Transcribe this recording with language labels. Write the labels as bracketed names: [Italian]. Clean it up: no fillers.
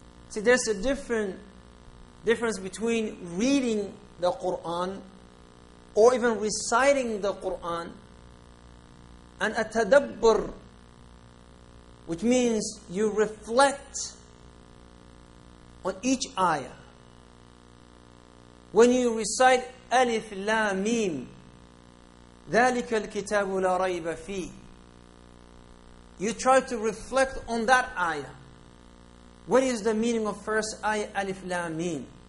[English] See, there's a difference between reading the Qur'an or even reciting the Qur'an and a tadabbur, which means you reflect on each ayah. When you recite Alif, Lam, Mim, [Arabic] ذلك الكتاب لا ريب فيه. [English] You try to reflect on that ayah. What is the meaning of first ayah Alif Lam Mim?